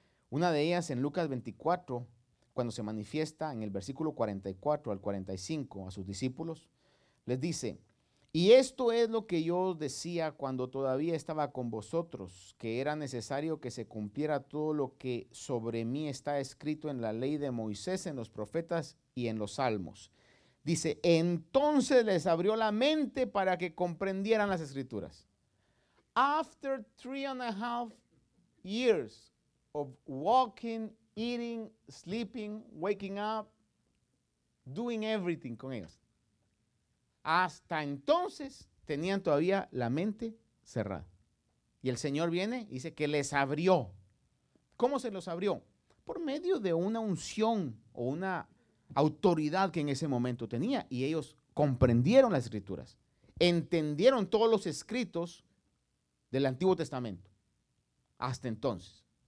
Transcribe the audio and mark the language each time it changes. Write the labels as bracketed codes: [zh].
[es] Una de ellas en Lucas 24, cuando se manifiesta en el versículo 44 al 45 a sus discípulos, les dice: y esto es lo que yo decía cuando todavía estaba con vosotros, que era necesario que se cumpliera todo lo que sobre mí está escrito en la ley de Moisés, en los profetas y en los salmos. Dice, entonces les abrió la mente para que comprendieran las escrituras. [en] After 3.5 years of walking, eating, sleeping, waking up, doing everything [es] con ellos. Hasta entonces tenían todavía la mente cerrada. Y el Señor viene y dice que les abrió. ¿Cómo se los abrió? Por medio de una unción o una autoridad que en ese momento tenía. Y ellos comprendieron las escrituras. Entendieron todos los escritos del Antiguo Testamento. Hasta entonces.